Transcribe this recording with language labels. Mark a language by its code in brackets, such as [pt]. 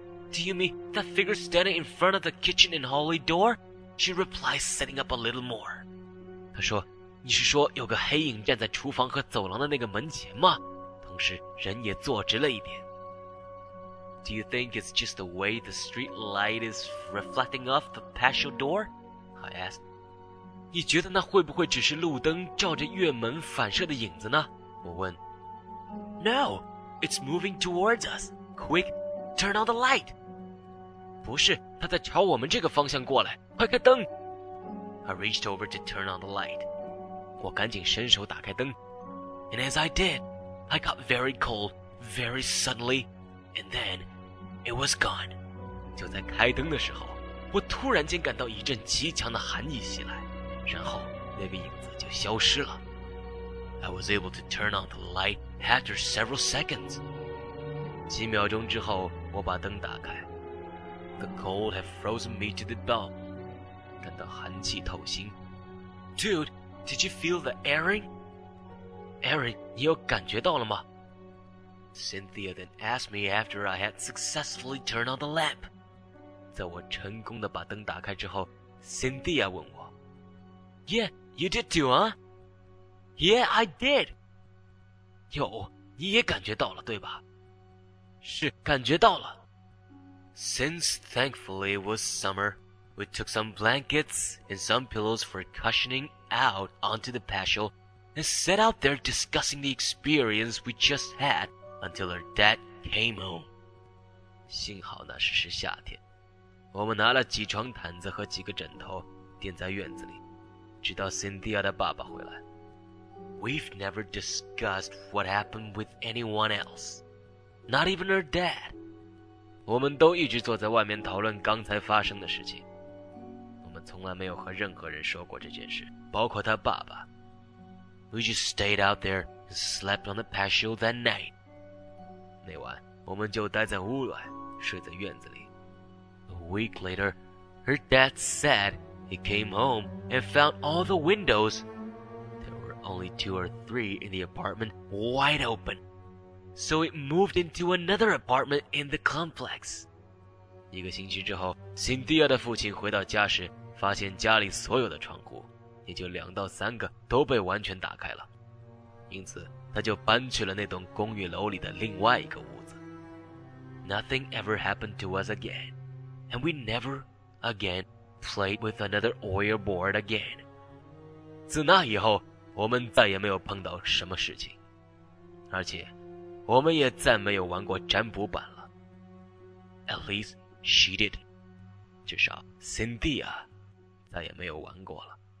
[en] Do you mean that figure standing in front of the kitchen and hallway door? She replies, sitting up a little more. [zh] 她说，你是说有个黑影站在厨房和走廊的那个门前吗？同时人也坐直了一点。 [en] Do you think it's just the way the street light is reflecting off the patio door? I asked. [zh] 你觉得那会不会只是路灯照着月门反射的影子呢？我问。 [en] No, it's moving towards us. Quick, turn on the light. [zh] 不是，它在朝我们这个方向过来，快开灯。 [en] I reached over to turn on the light. [zh] 我赶紧伸手打开灯。 [en] And as I did, I got very cold, very suddenly, and then it was gone. [zh] 就在开灯的时候，我突然间感到一阵极强的寒意袭来，然后那个影子就消失了。 [en] I was able to turn on the light after several seconds. [zh] 几秒钟之后，我把灯打开。 [en] The cold had frozen me to the bone. [zh] 感到寒气透心。 [en] Dude, did you feel the airing? [zh] Aaron, 你有感觉到了吗？ [en] Cynthia then asked me after I had successfully turned on the lamp. [zh] 在我成功地把灯打开之后， Cynthia 问我。 [en] Yeah, you did too, huh? Yeah, I did. [zh] 有，你也感觉到了，对吧？是，感觉到了。 [en] Since thankfully it was summer, we took some blankets and some pillows for cushioning out onto the patio and sat out there discussing the experience we just had until our dad came home. [zh] 幸好那时是夏天，我们拿了几床毯子和几个枕头垫在院子里，直到 Cynthia 的爸爸回来。 [en] We've never discussed what happened with anyone else. Not even her dad. [zh] 我们都一直坐在外面讨论刚才发生的事情。我们从来没有和任何人说过这件事，包括他爸爸。 [en] We just stayed out there and slept on the patio that night. [zh] 那晚，我们就待在屋外，睡在院子里。 [en] A week later, her dad said he came home and found all the windows... Only two or three in the apartment wide open. So it moved into another apartment in the complex. [zh] 一个星期之后， Cynthia 的父亲回到家时，发现家里所有的窗户，也就两到三个都被完全打开了。因此，他就搬去了那栋公寓楼里的另外一个屋子。 [en] Nothing ever happened to us again. And we never again played with another oil board again. [zh] 自那以后，我们再也没有碰到什么事情，而且我们也再没有玩过占卜板了。 [en] At least she did. [zh] 至少 Cynthia 再也没有玩过了。